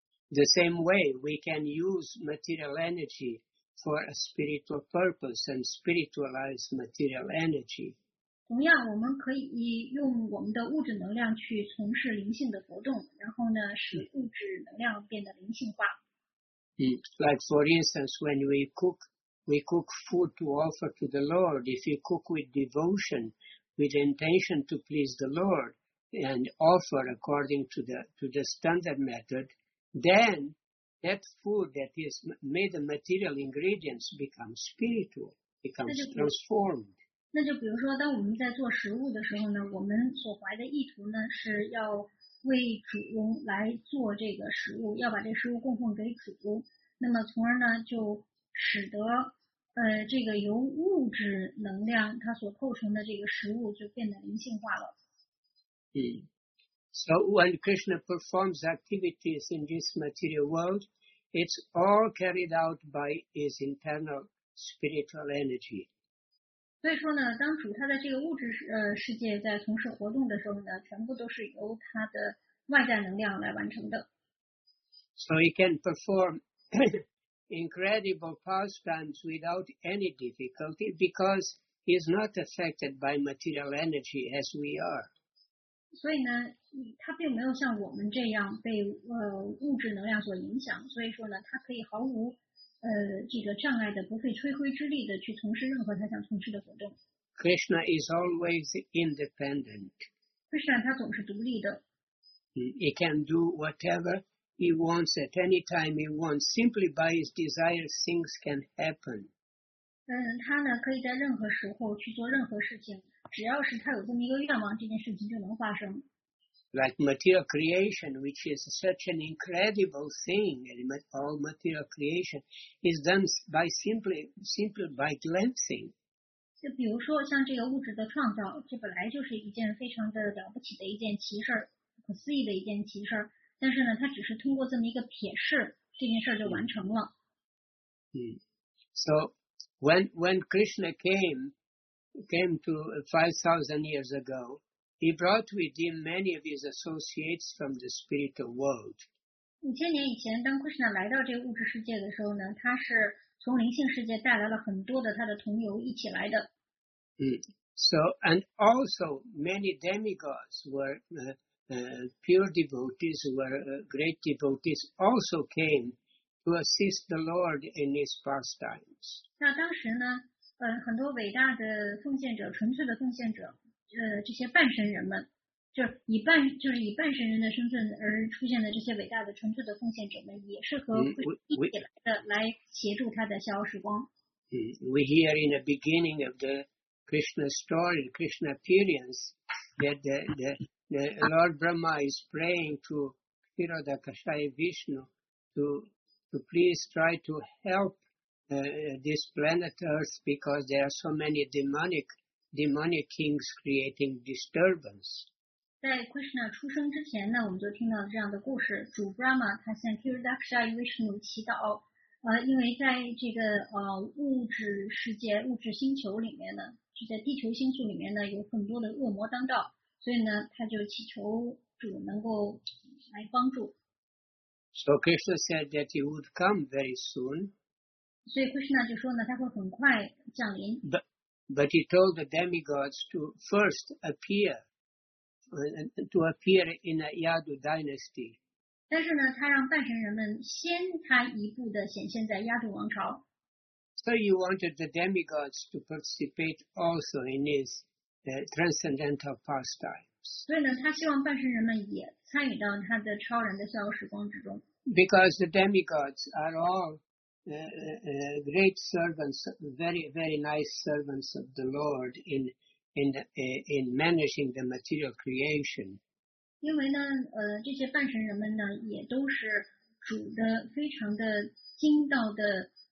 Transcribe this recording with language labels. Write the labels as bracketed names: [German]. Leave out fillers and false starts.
[English] The same way we can use material energy. For a spiritual purpose and spiritualize material energy. [Chinese] 同样，我们可以用我们的物质能量去从事灵性的活动，然后呢，使物质能量变得灵性化。 [English] Like for instance, when we cook food to offer to the Lord. If you cook with devotion, with intention to please the Lord, and offer according to the standard method, then. That food that is made of material ingredients becomes spiritual, becomes transformed. [Chinese] 那就比如说，当我们在做食物的时候呢，我们所怀的意图呢，是要为主来做这个食物，要把这食物供奉给主。那么，从而呢，就使得这个由物质能量它所构成的这个食物就变得灵性化了。 [English] So when Krishna performs activities in this material world, it's all carried out by his internal spiritual energy. [Chinese] 所以说呢，当主他在这个物质世界在从事活动的时候呢，全部都是由他的外在能量来完成的。 [English] So he can perform incredible pastimes without any difficulty because he is not affected by material energy as we are. [Chinese] 所以呢，他并没有像我们这样被物质能量所影响，所以说呢，他可以毫无这个障碍的，不费吹灰之力的去从事任何他想从事的活动。 [English] Krishna is always independent. [Chinese] Krishna 他总是独立的。 [English] He can do whatever he wants at any time he wants. Simply by his desire, things can happen. [Chinese] 他呢可以在任何时候去做任何事情。只要是他有这么一个愿望，这件事情就能发生。 [English] Like material creation, which is such an incredible thing, all material creation is done by simply by glancing. [Chinese] 就比如说像这个物质的创造，这本来就是一件非常的了不起的一件奇事，不可思议的一件奇事，但是呢，它只是通过这么一个瞥视，这件事就完成了。 [English] So when Krishna came to 5,000 years ago, he brought with him many of his associates from the spiritual world. [Chinese] 5,000 年以前，当 Krishna 来到这个物质世界的时候呢，他是从灵性世界带来了很多的他的同游一起来的。 [English] So and also many demigods were pure devotees, were great devotees, also came to assist the Lord in his pastimes. [Chinese] 那当时呢？很多伟大的奉献者，纯粹的奉献者，这些半神人们，就是以半神人的身份而出现的这些伟大的纯粹的奉献者们，也是和一起来的，来协助他的逍遥时光。 [English] We hear in the beginning of the Krishna story, Krishna appearance, that the Lord Brahma is praying to Hiranyakashipu Vishnu to please try to help. This planet Earth, because there are so many demonic kings creating disturbance. [Chinese] 在 Krishna 出生之前呢，我们就听到这样的故事：主 Brahma 他向 Hiranyakashipu Vishnu 祈祷，因为在这个物质世界、物质星球里面呢，是在地球星宿里面呢，有很多的恶魔当道，所以呢，他就祈求主能够来帮助。 [English] So Krishna said that he would come very soon. [Chinese] 所以 Krishna 就说呢，他会很快降临。 [English] But he told the demigods to first appear, to appear in the Yadu dynasty. [Chinese] 但是呢，他让半神人们先他一步的显现在亚杜王朝。 [English] So he wanted the demigods to participate also in his transcendental pastimes. [Chinese] 所以呢，他希望半神人们也参与到他的超然的逍遥时光之中。 [English] Because the demigods are all great servants, very very nice servants of the Lord in managing the material creation. [Chinese] 因为呢，这些半神人们呢，也都是主的非常的精道的。